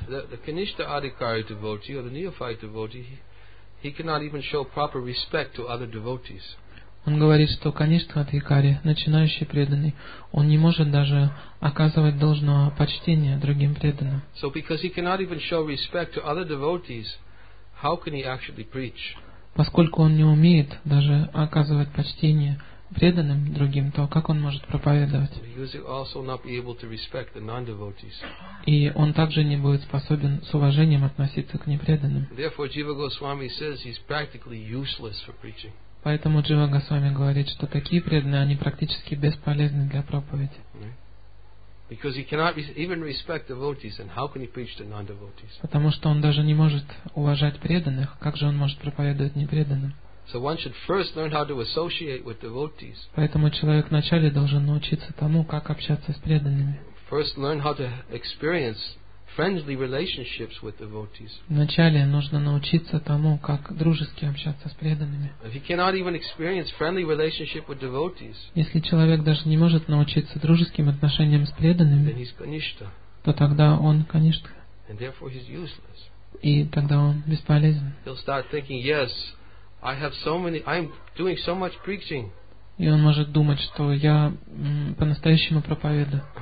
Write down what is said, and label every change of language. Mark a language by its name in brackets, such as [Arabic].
[English] The Kanishtha Adhikari devotee or the neophyte devotee, he cannot even show proper respect to other devotees. [Russian] Он говорит, что Каништа Адхикари, начинающий преданный, он не может даже оказывать должного почтения другим преданным. [English] So because he cannot even show respect to other devotees, how can he actually preach? [Russian] Поскольку он не умеет даже оказывать почтение преданным другим, то как он может проповедовать? [English] He will also not be able to respect the non-devotees. [Russian] И он также не будет способен с уважением относиться к непреданным. [English] Therefore, Jiva Goswami says he's practically useless for preaching. [Russian] Поэтому Джива Госвами говорит, что такие преданные, они практически бесполезны для проповеди. [English] Because he cannot even respect devotees, and how can he preach to non-devotees? [Russian] Потому что он даже не может уважать преданных, как же он может проповедовать непреданным? [English] So one should first learn how to associate with devotees. [Russian] Поэтому человек вначале должен научиться тому, как общаться с преданными. [English] First learn how to experience friendly relationships with devotees. [Russian] Вначале нужно научиться тому, как дружески общаться с преданными. [English] If he cannot even experience friendly relationship with devotees, [Russian] если человек даже не может научиться дружеским отношениям с преданными, [English] then he's kanishta. [Russian] То тогда он каништа. [English] And therefore he's useless. [Russian] И тогда он бесполезен. [English] He'll start thinking, yes, I have so many, I'm doing so much preaching. [Russian] И он может думать, что я по-настоящему проповедую.